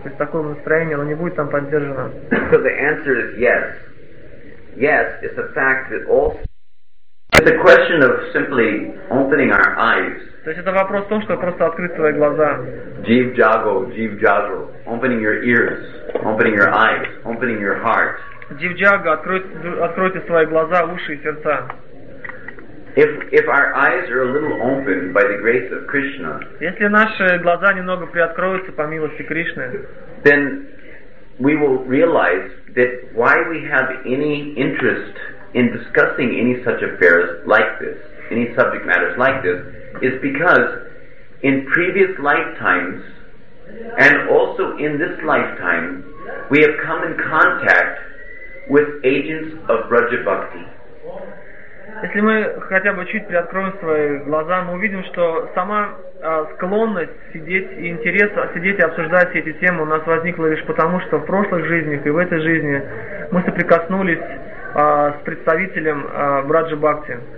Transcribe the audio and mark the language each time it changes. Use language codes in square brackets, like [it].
[ru] То есть такое настроение, оно не будет там поддержано. [en] So the answer is yes. Yes, it's a fact that also it's a question of simply opening our eyes. [ru] То есть это вопрос в том, чтобы просто открыть свои глаза. [bn] Jeev jago, jeev jago. [en] Opening your ears, opening your eyes, opening your heart. [bn] Jeev jago, [ru] откройте свои глаза, уши и сердца. [en] If our eyes are a little open by the grace of Krishna. [ru] Если наши глаза немного приоткроются по милости Кришны, [en] then we will realize that why we have any interest in discussing any such affairs like this, any subject matters like this, is because in previous lifetimes and also in this lifetime, we have come in contact with agents of Raja Bhakti. [ru] Если мы хотя бы чуть приоткроем свои глаза, мы увидим, что сама склонность сидеть и интерес сидеть и обсуждать все эти темы у нас возникла лишь потому, что в прошлых жизнях и в этой жизни мы соприкоснулись с представителем Раджа Бхакти.